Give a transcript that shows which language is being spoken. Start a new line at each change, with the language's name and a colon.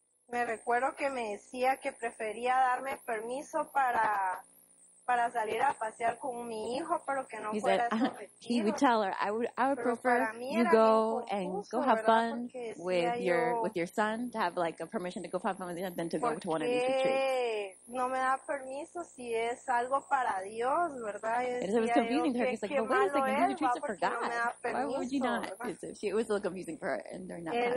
Spanish: Me recuerdo que me decía que prefería darme permiso para salir a pasear con mi hijo, pero que no fuera a retiros.
English: He would tell her, I would prefer you go and go have fun with your son, to have like a permission to go have fun with him, than to go to one of these retreats.
Spanish: No me da permiso si es algo para Dios, ¿verdad?
English: And it was confusing to her. He's like, but wait a second, these retreats are for God. Why would you not? It was a little confusing for her, and they're not.